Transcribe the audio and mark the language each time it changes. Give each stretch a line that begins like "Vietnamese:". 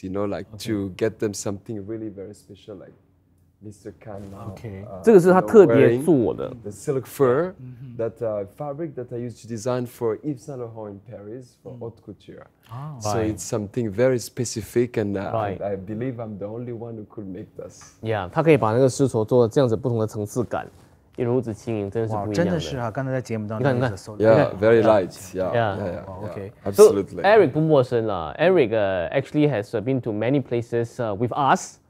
English: You know, like、to get them something really very special, like Mr. Khan. OK.、
Chinese: 这个是他特别做的
English: the silk fur、that、fabric that I used to design for Yves Saint Laurent in Paris for、haute couture. Oh, so、 right. it's something very specific, and、 right. I believe I'm the only one who could make this.
Chinese: Yeah, 他可以把那个丝绸做这样子不同的层次感，也如此轻盈，真的是不一样真的是啊，刚才在节目当中你看你看
English: ，Yeah, very light. Yeah, yeah, yeah. OK. Absolutely. So, ERIC
Chinese: 不陌生了
English: ，ERIC、actually has been to many places、with us.